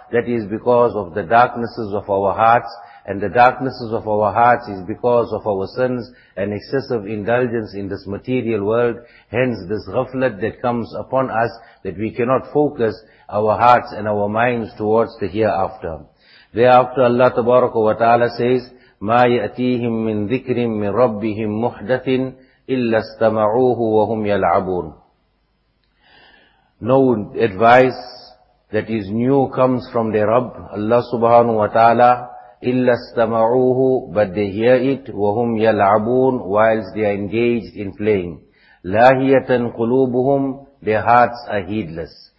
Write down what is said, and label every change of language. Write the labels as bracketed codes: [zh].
[en] That is because of the darknesses of our hearts. And the darknesses of our hearts is because of our sins and excessive indulgence in this material world. Hence this ghaflat that comes upon us, that we cannot focus our hearts and our minds towards the hereafter. Thereafter Allah tabaraka wa ta'ala says, [ar] مَا يَأْتِيهِمْ مِنْ ذِكْرٍ مِنْ رَبِّهِمْ مُحْدَثٍ إِلَّا اسْتَمَعُوهُ وَهُمْ يَلْعَبُونَ. [en] No advice that is new comes from their Rabb, Allah subhanahu wa ta'ala, [ar] illa istama'uhu, [en] but they hear it, [ar] wahum yal'abun, [en] whilst they are engaged in playing. [ar] lahiyatan qulubuhum, [en] their hearts are heedless.